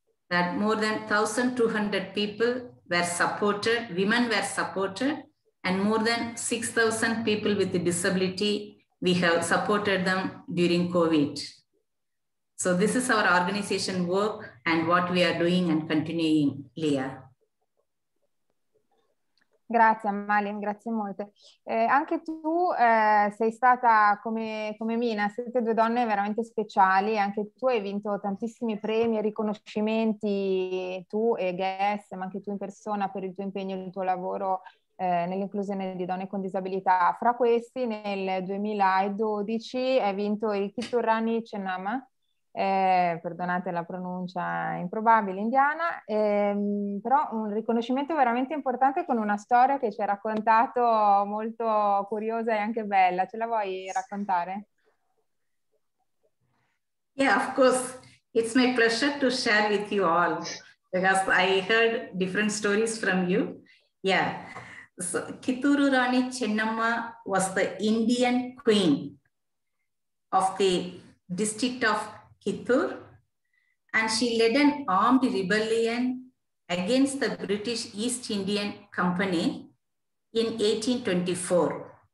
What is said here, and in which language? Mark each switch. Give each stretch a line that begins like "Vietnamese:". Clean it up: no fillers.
English: That more than 1,200 people were supported, women were supported, and more than 6,000 people with disability, we have supported them during COVID. So this is our organization work and what we are doing and continuing, Leah.
Italian: Grazie Amali, grazie molte. Anche tu sei stata come Mina, siete due donne veramente speciali, anche tu hai vinto tantissimi premi e riconoscimenti, tu e GAS, ma anche tu in persona per il tuo impegno e il tuo lavoro nell'inclusione di donne con disabilità. Fra questi, nel 2012 hai vinto il Kitturani Chennama. Perdonate la pronuncia improbabile indiana, però un riconoscimento veramente importante con una storia che ci hai raccontato molto curiosa e anche bella. Ce la vuoi raccontare?
English: Yeah, of course. It's my pleasure to share with you all because I heard different stories from you. Yeah. So Kitturu Rani Chennamma was the Indian queen of the district of Kittur, and she led an armed rebellion against the British East Indian Company in 1824.